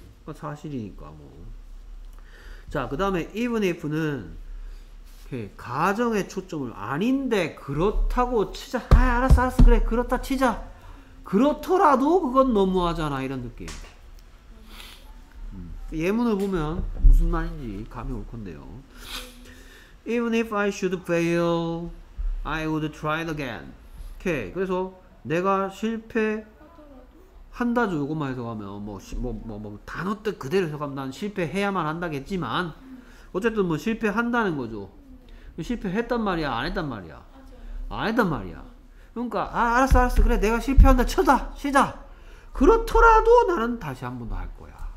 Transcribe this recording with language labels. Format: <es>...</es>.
<ko>사실이니까 뭐. 자, 그 다음에 even if는 오케이. 가정의 초점을 아닌데 그렇다고 치자. 아, 알았어, 알았어. 그래, 그렇다 치자. 그렇더라도 그건 너무하잖아 이런 느낌. 예문을 보면 무슨 말인지 감이 올 건데요.</ko> <en>Even if I should fail, I would try again.</en> <ko>오케이. 그래서 내가 실패한다죠. 이것만 해석하면 뭐 단어 뜻 그대로 해석하면 난 실패해야만 한다겠지만 어쨌든 뭐 실패한다는 거죠. 실패했단 말이야, 안 했단 말이야, 안 했단 말이야. 그러니까 아 알았어 알았어 그래 내가 실패한다 쳐다 시작. 그렇더라도 나는 다시 한번더할 거야.</ko>